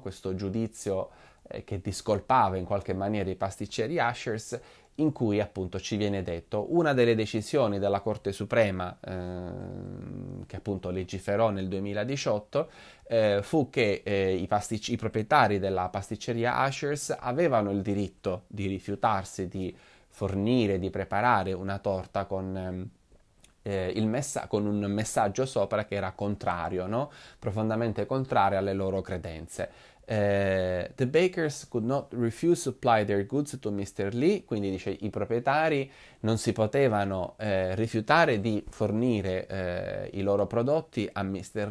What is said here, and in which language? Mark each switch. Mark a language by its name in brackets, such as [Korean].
[Italian] Questo giudizio che discolpava in qualche maniera i pasticceri Ushers, in cui appunto ci viene detto una delle decisioni della Corte Suprema che appunto legiferò nel 2018 fu che i proprietari della pasticceria Ushers avevano il diritto di rifiutarsi di fornire, di preparare una torta con con un messaggio sopra che era contrario, no? Profondamente contrario alle loro credenze. [English] The bakers could not refuse to supply their goods to Mr. [Italian] Lee, quindi dice i proprietari non si potevano rifiutare di fornire i loro prodotti a Mr.